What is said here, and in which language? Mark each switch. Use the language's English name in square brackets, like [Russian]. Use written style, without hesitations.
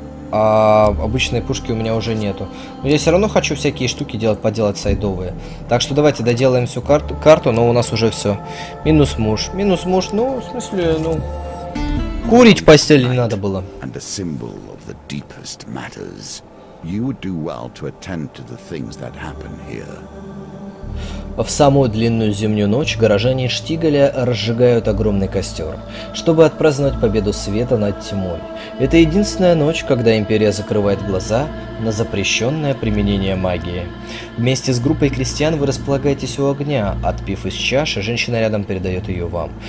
[Russian] А обычной пушки у меня уже нету. Но я все равно хочу всякие штуки делать, поделать сайдовые. Так что давайте доделаем всю карту, но у нас уже все. Минус муж, ну, в смысле, ну... Курить в постели не надо было. [English] And a symbol of the deepest matters. You would do well to attend to the things that happen here. [Russian] В самую длинную зимнюю ночь горожане Штигаля разжигают огромный костер, чтобы отпраздновать победу света над тьмой. Это единственная ночь, когда империя закрывает глаза на запрещенное применение магии. Вместе с группой крестьян вы располагаетесь у огня. Отпив из чаши, женщина рядом передает ее вам.